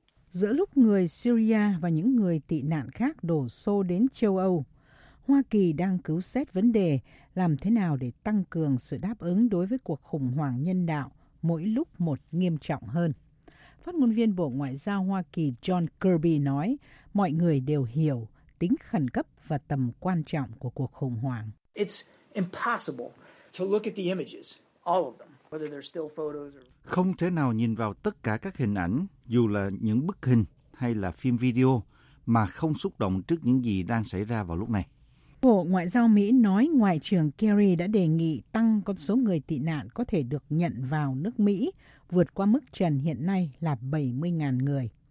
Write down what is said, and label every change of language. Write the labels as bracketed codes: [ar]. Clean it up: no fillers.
[vi] Giữa lúc người Syria và những người tị nạn khác đổ xô đến châu Âu, Hoa Kỳ đang cứu xét vấn đề làm thế nào để tăng cường sự đáp ứng đối với cuộc khủng hoảng nhân đạo mỗi lúc một nghiêm trọng hơn. Phát ngôn viên Bộ Ngoại giao Hoa Kỳ John Kirby nói, mọi người đều hiểu tính khẩn cấp và tầm quan trọng của cuộc khủng hoảng. [en] It's impossible to look at the images, all of them. [vi] Không thể nào nhìn vào tất cả các hình ảnh, dù là những bức hình hay là phim video, mà không xúc động trước những gì đang xảy ra vào lúc này. Bộ Ngoại giao Mỹ nói Ngoại trưởng Kerry đã đề nghị tăng con số người tị nạn có thể được nhận vào nước Mỹ, vượt qua mức trần hiện nay là 70.000 người.